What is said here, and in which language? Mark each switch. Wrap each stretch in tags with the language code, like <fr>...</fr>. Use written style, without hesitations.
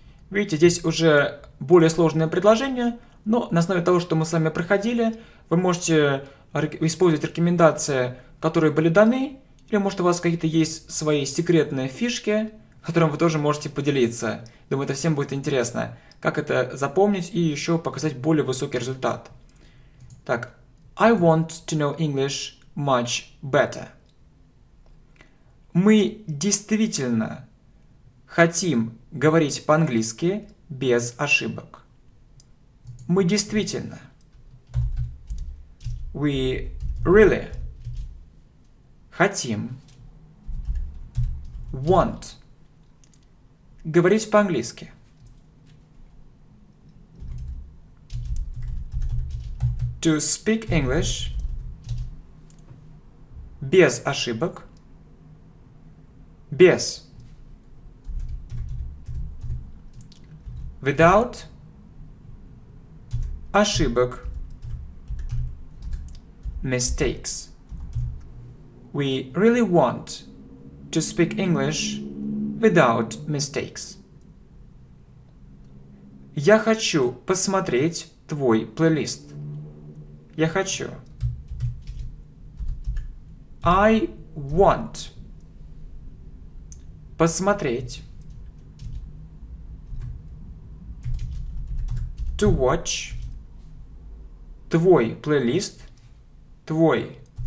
<ru>Видите, здесь уже более сложное предложение, но на основе того, что мы с вами проходили, вы можете использовать рекомендации, которые были даны, или, может, у вас какие-то есть свои секретные фишки, которым вы тоже можете поделиться. Думаю, это всем будет интересно, как это запомнить и еще показать более высокий результат.</ru> <en>Так, I want to know English much better.</en> <ru>Мы действительно хотим говорить по-английски без ошибок. Мы действительно.</ru> <en>We really</en> <ru>хотим.</ru> <en>Want</en> <ru>говорить по-английски.</ru> <en>To speak English</en> <ru>без ошибок. Без.</ru> <en>Without</en> <ru>ошибок.</ru> <en>Mistakes. We really want to speak English without mistakes.</en> <ru>Я хочу посмотреть твой плейлист. Я хочу.</ru> <en>I want</en> <ru>посмотреть</ru> <en>to watch</en> <ru>твой плейлист. Твой.</ru>